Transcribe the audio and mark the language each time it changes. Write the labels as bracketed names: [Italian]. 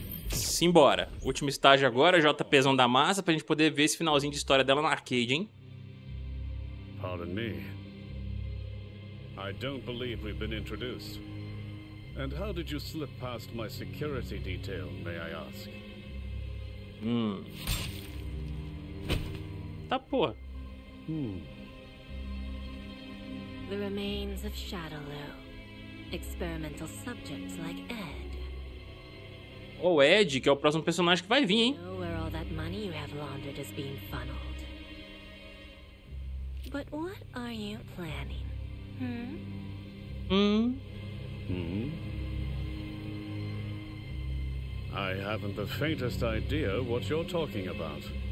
[Portuguese] Simbora. Último estágio agora, JPzão da massa, pra gente poder ver esse finalzinho de história dela na arcade, hein? [English] Pardon me. I don't believe we've been introduced. And how did you slip past my security detail, may I ask? [Portuguese] Tá, porra. [English] The remains of Shadowloo. Experimental subjects like Ed. [Portuguese] Oh, Ed, que é o próximo personagem que vai vir, hein? [English] You know where all that money you have laundered is being funneled. But what are you planning? I haven't the faintest idea what you're talking about.